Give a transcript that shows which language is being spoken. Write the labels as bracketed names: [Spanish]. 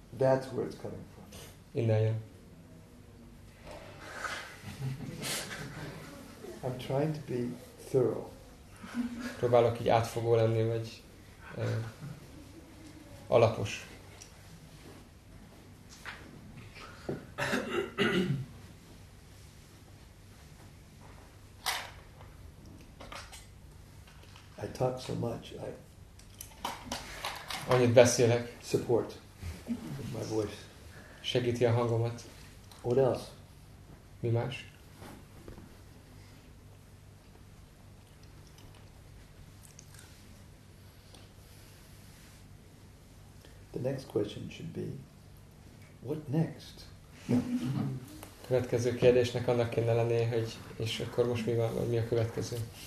[English] That's where it's coming from. [Hungarian] Innen jön. [English] I'm trying to be thorough. [Hungarian] Próbálok így átfogó lenni, vagy alapos. [English] I talk so much. I [Hungarian] annyit beszélek. [English] Support my voice. [Hungarian] Segíti a hangomat. [English] What else? [Hungarian] Mi más? [English] The next question should be, what next? [Hungarian] Következő kérdésnek annak kéne lennie, hogy és akkor most mi van, mi a következő?